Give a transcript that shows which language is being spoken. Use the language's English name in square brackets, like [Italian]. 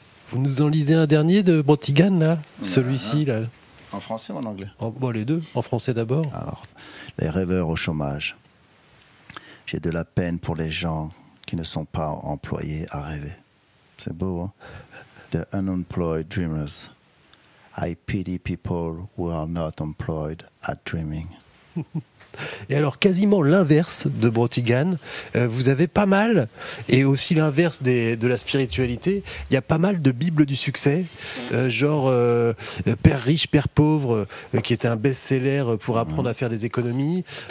[French] Vous nous en lisez un dernier de Brantigan, là, celui-ci, là. En français ou en anglais? Bon, les deux, en français d'abord. Alors, les rêveurs au chômage. J'ai de la peine pour les gens qui ne sont pas employés à rêver. C'est beau, hein? [English] The unemployed dreamers. I pity people who are not employed at dreaming. [French] Et alors, quasiment l'inverse de Brantigan, vous avez pas mal, et aussi l'inverse de la spiritualité, il y a pas mal de bibles du succès, genre Père riche, Père pauvre, qui était un best-seller pour apprendre à faire des économies.